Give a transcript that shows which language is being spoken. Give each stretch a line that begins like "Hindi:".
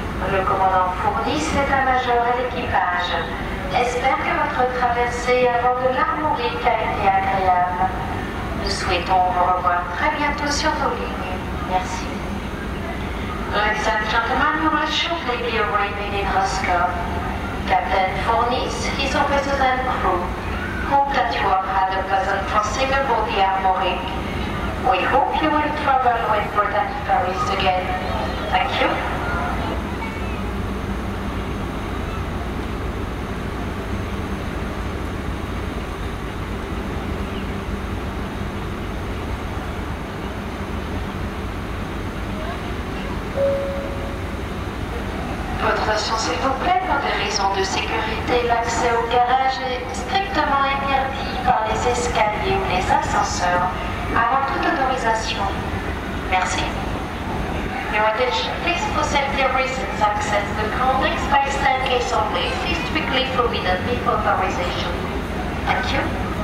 French: Le commandant Fournis, l'état-major et l'équipage espère que votre traversée à bord de l'Armorique a été agréable. Nous souhaitons vous revoir très bientôt sur vos lignes. Merci.
English: Ladies and gentlemen, we will shortly be arriving in Roscoff. Captain Fournis, his officers and crew hope that you have had a pleasant crossing aboard the Armorique. We hope you will travel with Brittany Ferries again. Thank you.
French: S'il vous plaît, pour des raisons de sécurité, l'accès au garage est strictement interdit par les escaliers ou les ascenseurs avant toute autorisation. Merci.
English: Your attention, please, for safety reasons, access the complex by staircase only. Please strictly forbidden before authorization. Thank you.